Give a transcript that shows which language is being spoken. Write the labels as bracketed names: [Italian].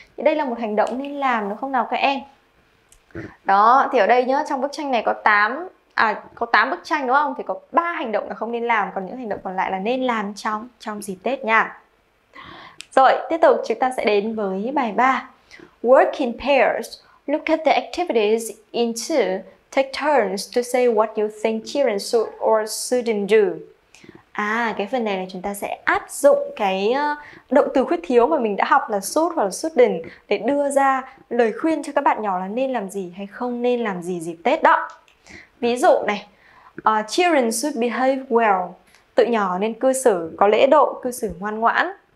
[Vietnamese] Thì đây là một hành động nên làm đúng không nào các em? Đó, thì ở đây nhá, trong bức tranh này có 8 bức tranh đúng không? Thì có 3 hành động là không nên làm, còn những hành động còn lại là nên làm trong dịp Tết nha. Rồi, tiếp tục chúng ta sẽ đến với bài 3. [English] Work in pairs, look at the activities in two, take turns to say what you think children should or shouldn't do. [Vietnamese] Cái phần này là chúng ta sẽ áp dụng cái động từ khuyết thiếu mà mình đã học là should hoặc là shouldn't để đưa ra lời khuyên cho các bạn nhỏ là nên làm gì hay không nên làm gì dịp Tết đó. Ví dụ này, [English] children should behave well, [Vietnamese] tụi nhỏ nên cư xử có lễ độ, cư xử ngoan ngoãn.